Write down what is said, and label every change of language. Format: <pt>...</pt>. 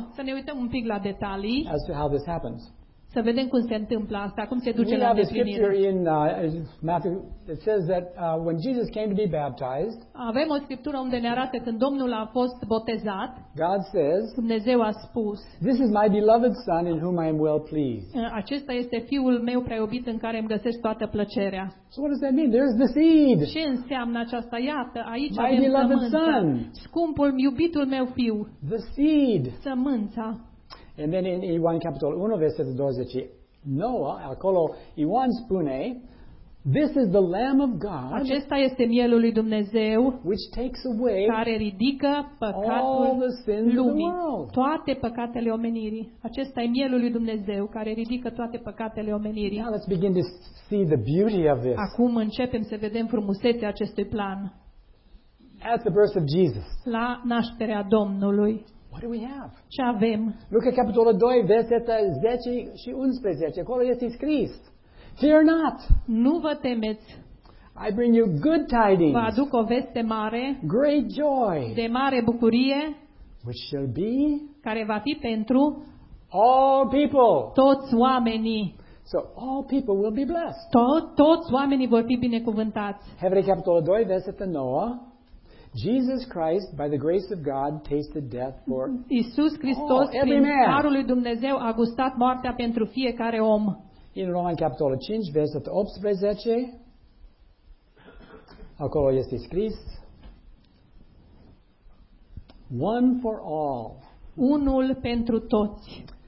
<ro>Să ne uităm un pic la detalii.</ro> <en>As to how this happens.</en> <ro>Să vedem cum se întâmplă asta, cum se duce</ro> <en>we</en> <ro>la îndeplinire.</ro> <en>In Matthew it says that when Jesus came to be baptized.</en> <ro>Avem o scriptură unde ne arată când Domnul a fost botezat.</ro> <en>God says.</en> <ro>Dumnezeu a spus.</ro> <en>This is my beloved son in whom I am well pleased.</en> <ro>Acesta este fiul meu preiubit în care îmi găsesc toată plăcerea.</ro> <en>So what does that mean? There's the seed.</en> <ro>Ce înseamnă aceasta? Iată, aici</ro> <en>my</en> <ro>avem</ro> <en>beloved son.</en> <ro>Scumpul, iubitul meu fiu.</ro> <en>The seed.</en> <ro>Sămânța.</ro> <en>And then in Ioan</en> <ro>capitolul 1 versetul 20,</ro> <en>Noah,</en> <ro>acolo Ioan spune,</ro> <en>this is the Lamb of God.</en> <ro>Acesta este mielul lui Dumnezeu,</ro> <en>which takes away</en> <ro>care ridică păcatul</ro> <en>all the sins</en> <ro>lumii,</ro> <en>of the world.</en> <ro>Toate păcatele omenirii. Acesta e mielul lui Dumnezeu care ridică toate păcatele omenirii.</ro> <en>Now let's begin to see the beauty of this.</en> <ro>Acum începem să vedem frumusețea acestui plan.</ro> <en>At the birth of Jesus.</en> <ro>La nașterea Domnului.</ro> <en>What do we have?</en> <ro>Ce avem? Luca capitolul 2 versetul 10 și 11. Acolo este scris:</ro> <en>Fear not.</en> <ro>Nu vă temeți.</ro> <en>I bring you good tidings.</en> <ro>Vă aduc o veste mare.</ro> <en>Great joy.</en> <ro>De mare bucurie.</ro> <en>Which shall be?</en> <ro>Care va fi pentru</ro> <en>all people.</en> <ro>Toți oamenii.</ro> <en>So all people will be blessed.</en> <ro>Toți oamenii vor fi binecuvântați. Evrei capitolul 2 versetul 9.</ro> <en>Jesus Christ, by the grace of God, tasted death for</en> <ro>Iisus Hristos,</ro> <en>all, every man.</en> <ro>Harul lui Dumnezeu a gustat moartea pentru fiecare om. În Romani capitolul 5, versetul 18, acolo este scris:</ro> <en>One for all.</en> <ro>Unul pentru toți.</ro>